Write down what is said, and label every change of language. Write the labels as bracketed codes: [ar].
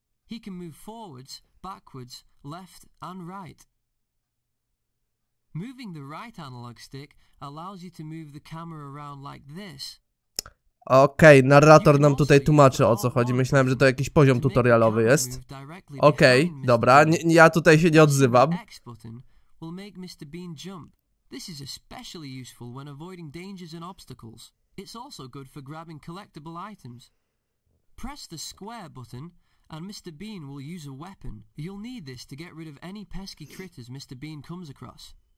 [en] He can move forwards, backwards, left and right. Moving the right analog stick allows you to move the camera around like this. [pl] Okej, okay, narrator nam tutaj tłumaczy, o co chodzi. Myślałem, że to jakiś poziom tutorialowy jest. Okej, okay, dobra, ja tutaj się nie odzywam. [en] The X button will make Mr. Bean jump. This is especially useful when avoiding dangers and obstacles. It's also good for grabbing collectible items. Press the square button and Mr. Bean will use a weapon. You'll need this to get rid of any pesky critters Mr. Bean comes across.